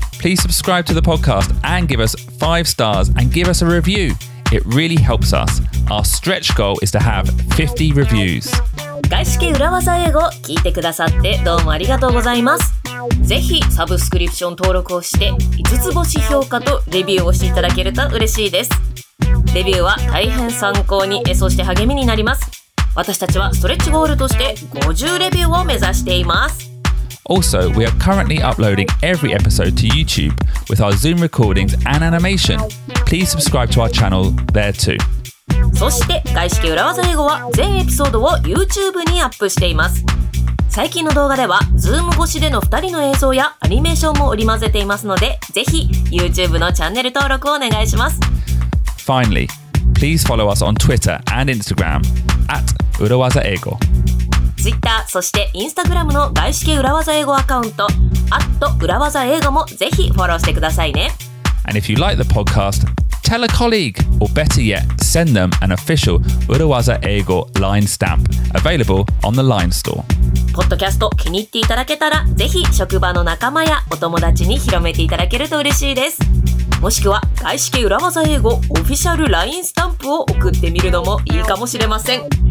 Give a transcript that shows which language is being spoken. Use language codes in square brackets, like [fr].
[en] Please subscribe to the podcast and give us 5 stars and give us a review. It really helps us. Our stretch goal is to have 50 reviews. [ja] 外資系裏技英語聞いてくださってどうもありがとうございます。ぜひサブスクリプション登録をして5つ星評価とレビューをしていただけると嬉しいです。レビューは大変参考に、そして励みになります。私たちはストレッチゴールとして50レビューを目指しています。 [en] Also, we are currently uploading every episode to YouTube with our Zoom recordings and animation. Please subscribe to our channel there too. [ja] そして外資系裏技英語は全エピソードを YouTube にアップしています。最近の動画では Zoom 越しでの2人の映像やアニメーションも織り交ぜていますので、ぜひ YouTube のチャンネル登録をお願いします。 [en] Finally, please follow us on Twitter and Instagram at 裏技英語。 [ja] Twitter そして Instagram の外資系裏技英語アカウント at 裏技英語もぜひフォローしてくださいね。 [en] And if you like the podcast, tell a colleague, or better yet, send them an official 裏技英語 LINE stamp available on the LINE store. [ja] ポッドキャスト気に入っていただけたら、ぜひ職場の仲間やお友達に広めていただけると嬉しいです。もしくは外資系裏技英語オフィシャル LINE スタンプを送ってみるのもいいかもしれません。